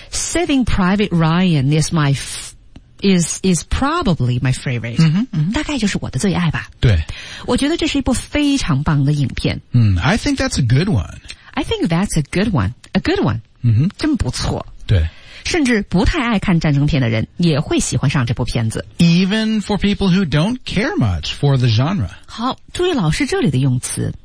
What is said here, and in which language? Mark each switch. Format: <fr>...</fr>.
<en>Saving Private Ryan is my is probably my favorite.</en> <zh>嗯哼，大概就是我的最爱吧。对。我觉得这是一部非常棒的影片。</zh> <en>I think that's a good one. I think that's a good one. A good one.</en> <zh>嗯哼，真不错。对。甚至不太爱看战争片的人也会喜欢上这部片子。</zh> <en>Even for people who don't care much for the genre.</en> <zh>好，注意老师这里的用词。</zh>